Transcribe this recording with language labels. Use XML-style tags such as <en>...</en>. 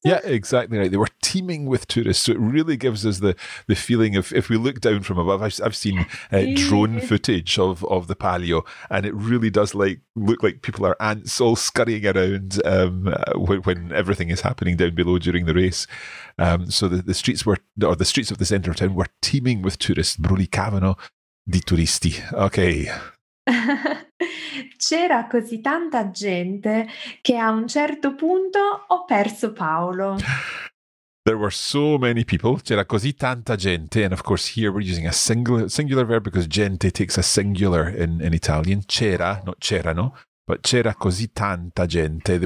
<en>Yeah, exactly right. They were teeming with tourists. So it really gives us the feeling of, if we look down from above, I've seen drone footage of the Palio, and it really does look like people are ants all scurrying around when everything is happening down below during the race. So the streets were, or the streets of the center of town were teeming with tourists.</en> <it>Brulicavano di turisti.</it> <en>Okay.</en> <it>C'era così tanta gente che a un certo punto ho perso Paolo.</it> <en>There were so many people.</en> <it>C'era così tanta gente.</it> <en>And of course, here we're using a singular verb because gente takes a singular in Italian.</en> <it>C'era, not c'erano, but c'era così tanta gente.</it>